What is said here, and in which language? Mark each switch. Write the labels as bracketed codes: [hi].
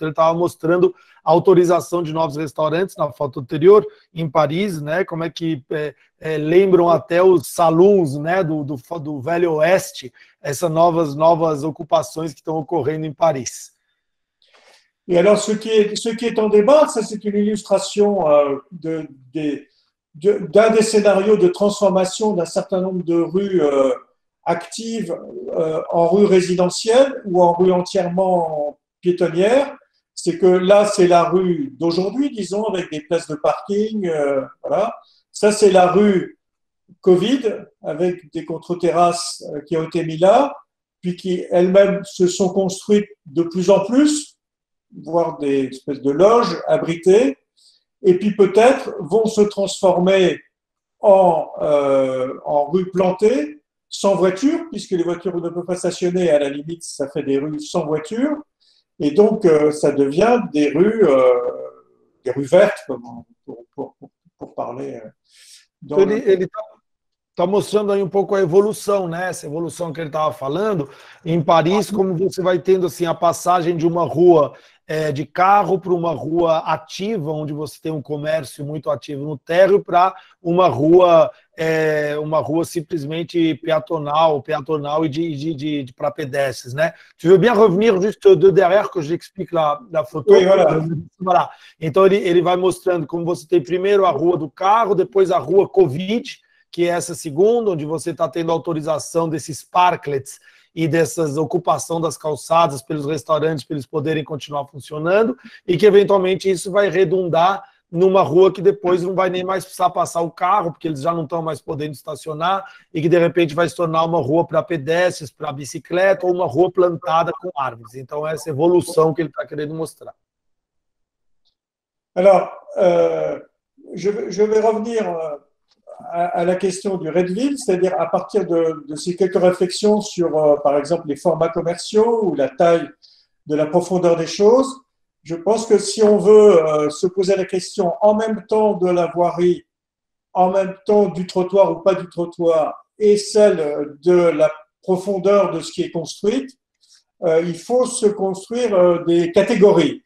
[pt] Então, ele estava mostrando a autorização de novos restaurantes na foto anterior em Paris, né? Como é que lembram até os saloons, né? Do Velho Oeste, essas novas ocupações que estão ocorrendo em Paris. [fr] E, alors, ce qui est en débat, ça, c'est une illustration d'un des scénarios de transformation d'un certain nombre de rues actives en rues résidentielles ou en rues entièrement piétonnières, c'est que là, c'est la rue d'aujourd'hui, disons, avec des places de parking, voilà. Ça, c'est la rue Covid, avec des contre-terrasses qui ont été mises là, puis qui elles-mêmes se sont construites de plus en plus, voire des espèces de loges abritées, et puis peut-être vont se transformer en rues plantées sans voiture, puisque les voitures ne peuvent pas stationner, à la limite ça fait des rues sans voiture, et donc ça devient des rues vertes, pour parler. [pt] Está mostrando aí pouco a evolução, né? Essa evolução que ele estava falando, em Paris, como você vai tendo assim a passagem de uma rua de carro para uma rua ativa, onde você tem um comércio muito ativo no térreo, para uma rua simplesmente peatonal e de para pedestres, né? [fr] Tu veux bien revenir juste de derrière que j'explique la photo? Oui, voilà. [pt] Então ele vai mostrando como você tem primeiro a rua do carro, depois a rua Covid, que é essa segunda, onde você está tendo autorização desses parklets e dessas ocupação das calçadas pelos restaurantes, para eles poderem continuar funcionando, e que eventualmente isso vai redundar numa rua que depois não vai nem mais precisar passar o carro, porque eles já não estão mais podendo estacionar, e que de repente vai se tornar uma rua para pedestres, para bicicleta, ou uma rua plantada com árvores. Então, essa evolução que ele está querendo mostrar. Então, eu vou [fr] revenir à la question du Redville, c'est-à-dire à partir de ces quelques réflexions sur, par exemple, les formats commerciaux ou la taille de la profondeur des choses. Je pense que si on veut se poser la question en même temps de la voirie, en même temps du trottoir ou pas du trottoir, et celle de la profondeur de ce qui est construit, il faut se construire des catégories.